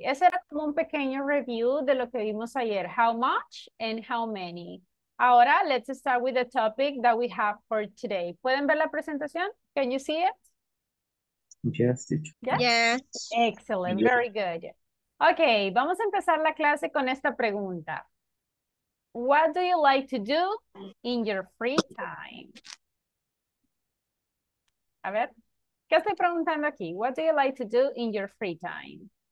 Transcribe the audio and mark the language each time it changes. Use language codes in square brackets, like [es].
[es] Ese era como un pequeño review de lo que vimos ayer. [en] How much and how many. Ahora, let's start with the topic that we have for today. [es] ¿Pueden ver la presentación? [en] Can you see it? Yes. Yes. Excellent. Yes. Very good. [es] Okay, vamos a empezar la clase con esta pregunta. [en] What do you like to do in your free time? [es] A ver, ¿qué estoy preguntando aquí? [en] What do you like to do in your free time?